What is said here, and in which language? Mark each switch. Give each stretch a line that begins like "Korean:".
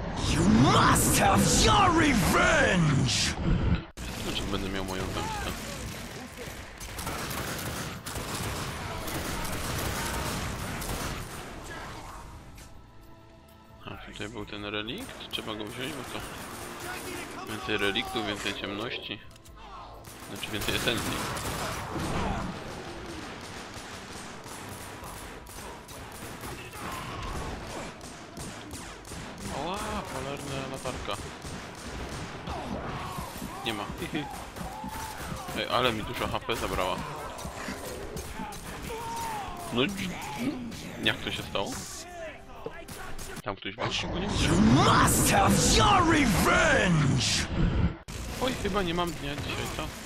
English: You must have your revenge!
Polish: Znaczy, będę miał moją zemstę. Tutaj był ten relikt? Trzeba go wziąć, bo to więcej reliktów, więcej ciemności. Znaczy więcej esencji. Ała, cholerna latarka. Nie ma. Ej, ale mi dużo HP zabrała. No jak to się stało? Tam ktoś ma.
English: You must have your revenge!
Polish: Oj, chyba nie mam dnia dzisiaj, co?